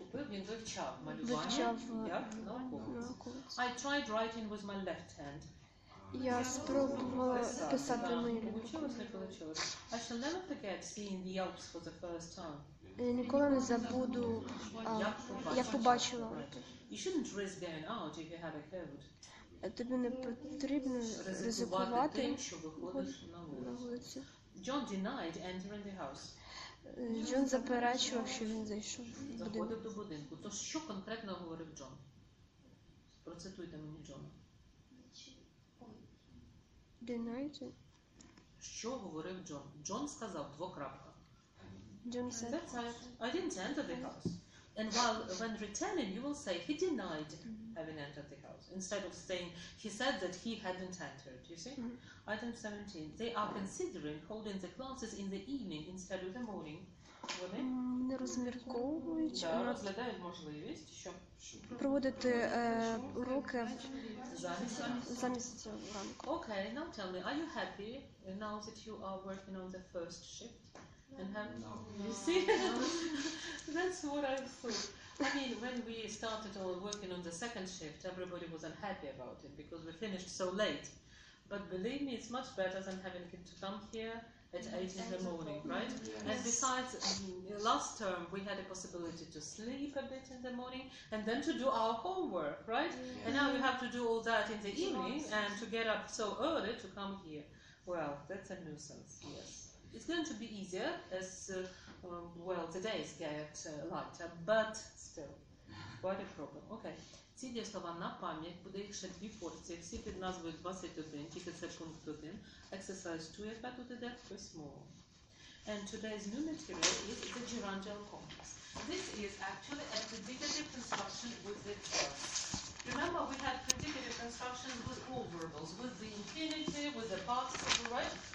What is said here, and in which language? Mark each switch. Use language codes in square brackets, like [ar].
[uk] він вивчав малювання, як науковець. [en] I tried writing with my left hand. [uk] Я спробувала писати моєю рукою. [en] I shall never forget seeing the Alps for the first time. [uk] Я ніколи не забуду, як побачила. [en] You shouldn't risk going out if you have a cold. [uk] Тобі не потрібно ризикувати, що виходиш на вулицю. [en] John denied entering the house. [uk] Джон заперечував, що він зайшов в будинок. Заходив до будинку. То що конкретно говорив Джон? Процитуйте мені Джона. Динайте. Що говорив Джон? Джон сказав двокрапка. Джон сказав. [en] That's right. I didn't enter the house. And while when returning, you will say he denied having entered the house. Instead of saying he said that he hadn't entered, you see? Mm-hmm. Item 17. They are considering holding the classes in the evening instead of the morning. [uk] Не розмірковують. Да, розглядають можливість, щоб проводити уроки замість ранку. [en] Okay, now tell me, are you happy now that you are working on the first shift? And have, no. You see, that's what I thought. I mean, when we started all working on the second shift, everybody was unhappy about it because we finished so late. But believe me, it's much better than having to come here at 8 in the morning, right? Yes. And besides, last term we had a possibility to sleep a bit in the morning and then to do our homework, right? Yes. And now we have to do all that in the evening and to get up so early to come here. Well, that's a nuisance, yes. It's going to be easier as, well, the days get lighter, but still, quite a problem. Okay. [uk] Ці дві слова на пам'ять, буде їх ще дві порції, всі під назвою 21, тільки це пункт 1. [en] Exercise 2, [uk] яка тут іде, [en] plus more. And today's new material is the girandole compass. This is actually a predicative construction with the verbs. Remember, we had predicative constructions with all verbals, with the infinitive, with the participle, right?